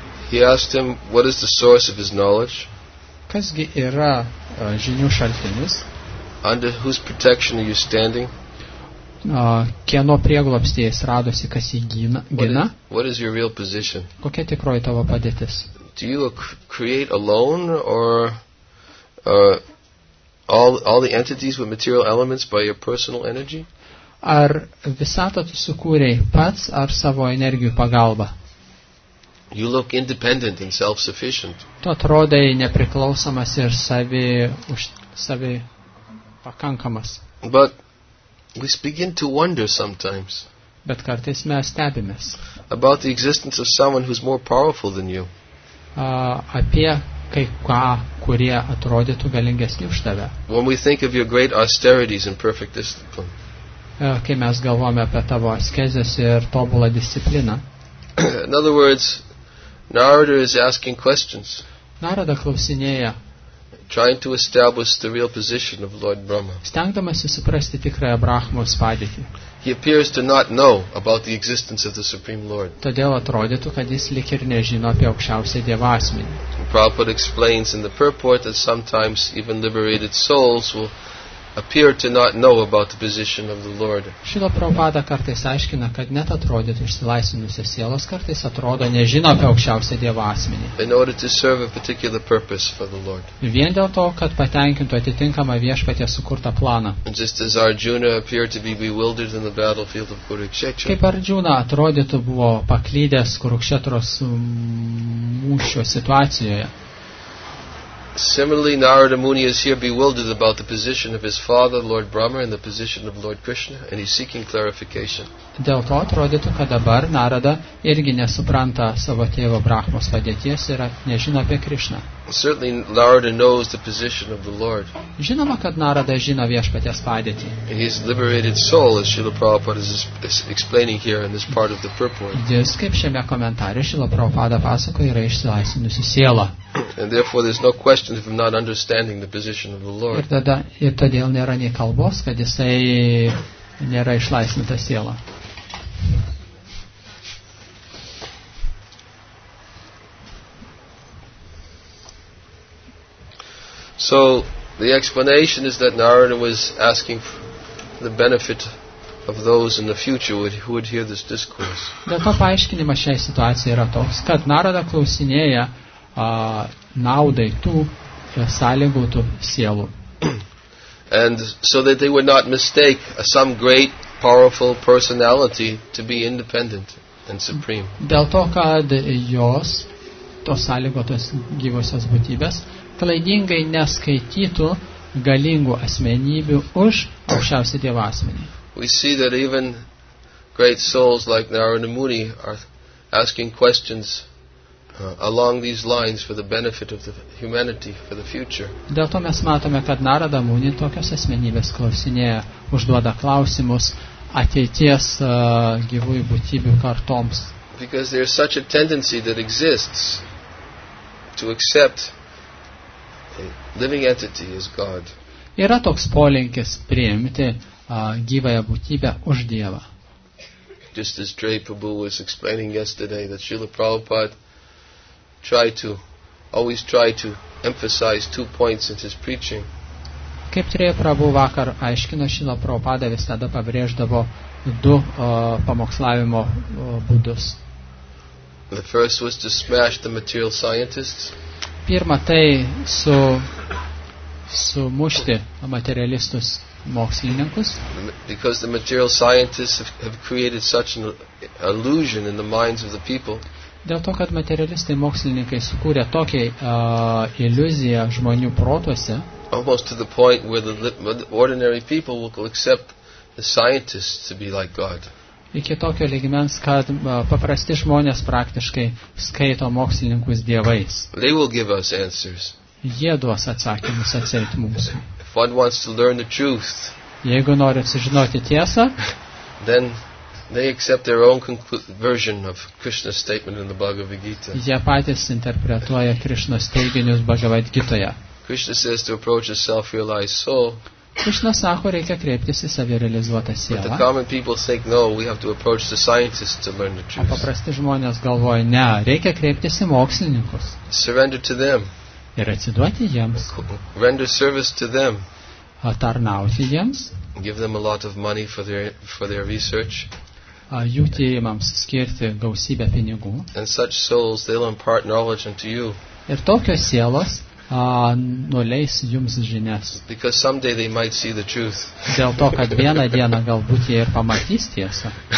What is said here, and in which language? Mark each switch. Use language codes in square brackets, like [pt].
[en] He asked him, what is the source of his knowledge? [lt] Kas gi yra žinių šaltinis? [en] Under whose protection are you standing? [lt] Kieno prieglobstyje jis radosi, kas jį gina? [en] What is your real position? [lt] Kokia tikroji tavo padėtis? [en] Do you create alone or all the entities with material elements by your personal energy? [lt] Ar visatą tu sukūrei pats ar savo energijų pagalba? [en] You look independent and self-sufficient. [lt] Tu atrodai nepriklausomas ir savi pakankamas. [en] But we begin to wonder sometimes. [lt] Bet kartais mes stebimės. [en] About the existence of someone who's more powerful than you. [lt] Apie kai ką, kurie atrodytų galingesni už tave. [en] When we think of your great austerities and perfect discipline. [lt] Kai mes galvojame apie tavo askezes ir tobulą discipliną. [en] In other words, Narada is asking questions. [lt] Narada klausinėja. [en] Trying to establish the real position of Lord Brahma. [lt] Stengdamasi suprasti tikrąją Brahmos padėtį. [en] He appears to not know about the existence of the Supreme Lord. [lt] Todėl atrodytų, kad jis lyg ir nežino apie aukščiausią dievą asmenį. [en] Prabhupada explains in the purport that sometimes even liberated souls will appear to not know about the position of the Lord. [lt] Šilo Prabhupada kartais aiškina, kad net atrodytų išsilaisvinusios sielos kartais atrodo nežino apie aukščiausią dievą asmenį. [en] In order to serve a particular purpose for the Lord. [lt] Vien dėl to, kad patenkintų atitinkamą viešpatės sukurtą planą. [en] Just as Arjuna appeared to be bewildered in the battlefield of Kurukshetra. [lt] Kaip Arjuna atrodytų buvo paklydęs Kurukšetros mūšio situacijoje. [en] Similarly, Narada Muni is here bewildered about the position of his father, Lord Brahma, and the position of Lord Krishna, and he's seeking clarification. [lt] Dėl to atrodytų, kad dabar Narada irgi nesupranta savo tėvo Brahmos padėties ir nežino apie Krishna. [en] Certainly, Narada knows the position of the Lord. [lt] Žinoma, kad Narada žino viešpaties padėtį. [en] His liberated soul, as Srila Prabhupada is explaining here in this part of the purport. [lt] Jis, kaip šiame komentare, Srila Prabhupada pasakoja, yra išsilaisvinusi siela. [en] And therefore there's no question of him not understanding the position of the Lord. [lt] Ir tada, ir todėl nėra nei kalbos, kad jisai nėra išlaisvinta siela. [en] So the explanation is that Narada was asking for the benefit of those in the future who would hear this discourse. [lt] Dėl to paaiškinimas šiai situacijai yra toks, kad Narada klausinėja naudai tų sąlygotų sielų. [en] And so that they would not mistake some great powerful personality to be independent and supreme. [lt] Dėl to, kad jos tos sąlygotos gyvosios būtybės klaidingai neskaitytų galingų asmenybių už aukščiausią dievą asmenį. [en] We see that even great souls like Narada Muni are asking questions along these lines for the benefit of the humanity for the future. [lt] Dėl to mes matome, kad Narada Muni tokios asmenybės klausinėja, užduoda klausimus ateities gyvųjų būtybių kartoms. [en] Because there is such a tendency that exists to accept a living entity as God. [lt] Yra toks polinkis priimti gyvąją būtybę už Dievą. [en] Just as Dre Prabhu was explaining yesterday that Srila Prabhupada always try to emphasize two points in his preaching. [lt] Kaip Trija Prabhu vakar aiškino, Šila Prabhupada visada pabrėždavo du pamokslavimo būdus. [en] The first was to smash the material scientists. [lt] Pirma tai sumušti materialistus mokslininkus. [en] Because the material scientists have created such an illusion in the minds of the people. [lt] Dėl to, kad materialistai mokslininkai sukūrė tokią iliuziją žmonių protuose, [en] almost to the point where the ordinary people will accept the scientists to be like God. [lt] Iki tokio lygmens, kad paprasti žmonės praktiškai skaito mokslininkus dievais. [en] They will give us answers. [lt] Jie duos atsakymus atseit mums. [en] If one wants to learn the truth, [lt] jeigu nori sužinoti tiesą, [en] then they accept their own version of Krishna's statement in the Bhagavad Gita. [lt] Jie patys interpretuoja Krishna's teiginius Bhagavad Gitoje. [en] Krishna says to approach a self-realized soul. [lt] Krišna sako, reikia kreiptis į savirealizuotą sielą. [en] The common people think, no, we have to approach the scientists to learn the truth. [lt] O paprasti žmonės galvoja, ne, reikia kreiptis į mokslininkus. [en] Surrender to them. [lt] Ir atsiduoti jiems. [en] Render service to them. [lt] Tarnauti jiems. [en] Give them a lot of money for their research. [lt] Jų tyrimams skirti gausybę pinigų. [en] And such souls, they'll impart knowledge unto you. [lt] Ir tokios sielos nuleis jums žinias. [en] Because someday they might see the truth. [lt] Dėl to, kad vieną dieną galbūt jie ir pamatys tiesą.